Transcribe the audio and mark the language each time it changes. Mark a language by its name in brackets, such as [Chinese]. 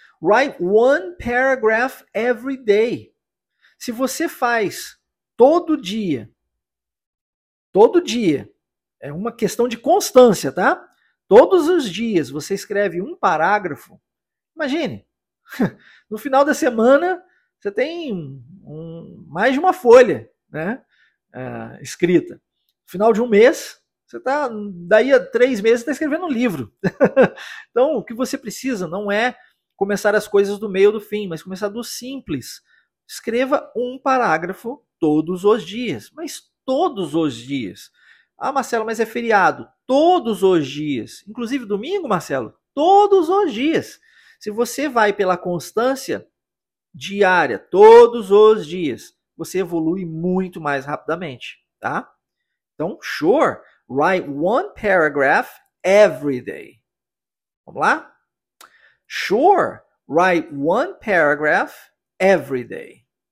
[English] Write one paragraph every day. [Portuguese] Se você faz todo dia, é uma questão de constância, tá? Todos os dias você escreve um parágrafo. Imagine, no final da semana você tem mais de uma folha, né, escrita. Final de um mês, você está, daí a três meses, você está escrevendo um livro. Então, o que você precisa não é começar as coisas do meio ou do fim, mas começar do simples. Escreva um parágrafo todos os dias, mas todos os dias. Ah, Marcelo, mas é feriado. Todos os dias, inclusive domingo, Marcelo? todos os dias. Se você vai pela constância diária, todos os dias, você evolui muito mais rapidamente, tá? Então, [English] sure, write one paragraph every day. [Portuguese] Vamos lá? [English] Sure, write one paragraph every day.